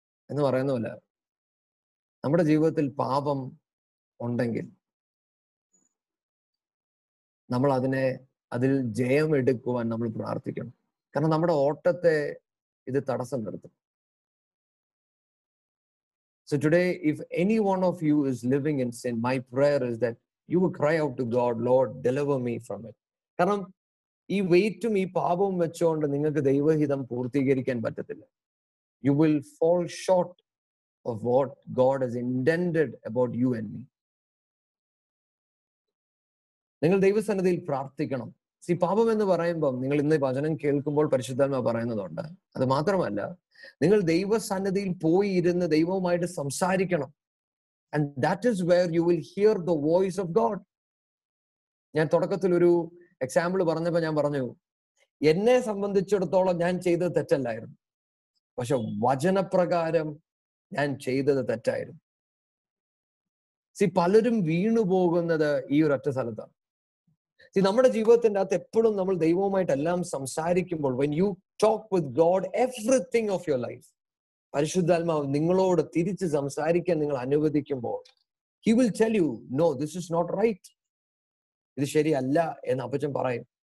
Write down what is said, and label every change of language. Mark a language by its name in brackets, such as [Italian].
[Malayalam] എന്ന് പറയുന്ന പോലെ നമ്മുടെ ജീവിതത്തിൽ പാപം ഉണ്ടെങ്കിൽ നമ്മൾ അതിനെ അതിൽ ജയം എടുക്കുവാൻ നമ്മൾ പ്രാർത്ഥിക്കണം. കാരണം നമ്മുടെ ഓട്ടത്തെ ഇത് തടസ്സം നിർത്തും. [English] So today, if any one of you is living in sin, my prayer is that you will cry out to God, Lord, deliver me from it. [Malayalam] കാരണം ഈ വെയിറ്റും ഈ പാപവും വെച്ചുകൊണ്ട് നിങ്ങൾക്ക് ദൈവഹിതം പൂർത്തീകരിക്കാൻ പറ്റത്തില്ല. [English] You will fall short of what God has intended about you and me. [Malayalam] നിങ്ങൾ ദൈവസന്നിധിയിൽ പ്രാർത്ഥിക്കണം. ഈ പാപം എന്ന് പറയുമ്പം നിങ്ങൾ ഇന്ന് വചനം കേൾക്കുമ്പോൾ പരിശുദ്ധാത്മാ പറയുന്നതുണ്ട്. അത് മാത്രമല്ല, നിങ്ങൾ ദൈവസന്നിധിയിൽ പോയി ഇരുന്ന് ദൈവവുമായിട്ട് സംസാരിക്കണം. [English] And that is where you will hear the voice of God. [Malayalam] ഞാൻ തുടക്കത്തിൽ ഒരു എക്സാമ്പിൾ പറഞ്ഞപ്പോ ഞാൻ പറഞ്ഞു, എന്നെ സംബന്ധിച്ചിടത്തോളം ഞാൻ ചെയ്തത് തെറ്റല്ലായിരുന്നു, പക്ഷെ വചനപ്രകാരം ഞാൻ ചെയ്തത് തെറ്റായിരുന്നു. സി പലരും വീണു പോകുന്നത് ഈ ഒരു ഒറ്റ സ്ഥലത്താണ്. സി നമ്മുടെ ജീവിതത്തിന്റെ അകത്ത് എപ്പോഴും നമ്മൾ ദൈവവുമായിട്ടെല്ലാം സംസാരിക്കുമ്പോൾ, [English] when you talk with God everything of your life, [Malayalam] പരിശുദ്ധാത്മാവ് നിങ്ങളോട് തിരിച്ച് സംസാരിക്കാൻ നിങ്ങൾ അനുവദിക്കുമ്പോൾ, [English] he will tell you, no, this is not right, [Malayalam] ഇത് ശരിയല്ല എന്ന് അപ്പച്ചൻ പറയും.